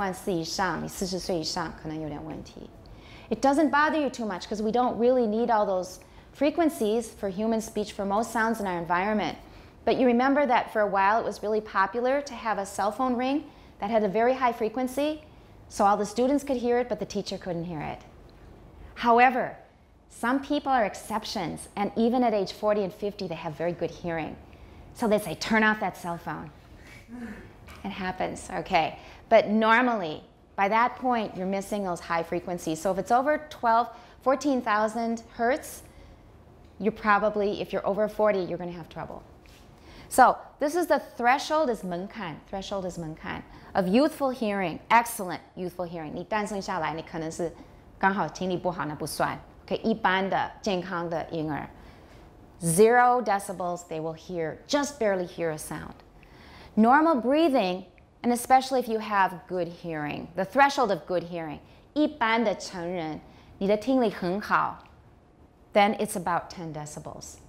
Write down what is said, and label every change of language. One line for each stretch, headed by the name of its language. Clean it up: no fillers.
Chinese: 大概12,000, 14,000以上，你40岁以上可能有点问题。
English: It doesn't bother you too much because we don't really need all those frequencies for human speech for most sounds in our environment. But you remember that for a while it was really popular to have a cell phone ring that had a very high frequency so all the students could hear it but the teacher couldn't hear it. However, some people are exceptions and even at age 40 and 50 they have very good hearing. So they say, turn off that cell phone. It happens, okay. But normally, by that point, you're missing those high frequencies. So if it's over 14,000 hertz, you're probably, if you're over 40, you're going to have trouble. So this is the threshold is 门槛, threshold is 门槛, of youthful hearing, excellent youthful hearing.
Chinese: 你诞生下来,你可能是刚好听力不好,那不算。 Okay, 一般的健康的婴儿。
English: Zero decibels, they will hear, just barely hear a sound. Normal breathing, and especially if you have good hearing, the threshold of good hearing,
Chinese: 一般的成人，你的听力很好,
English: then it's about 10 decibels.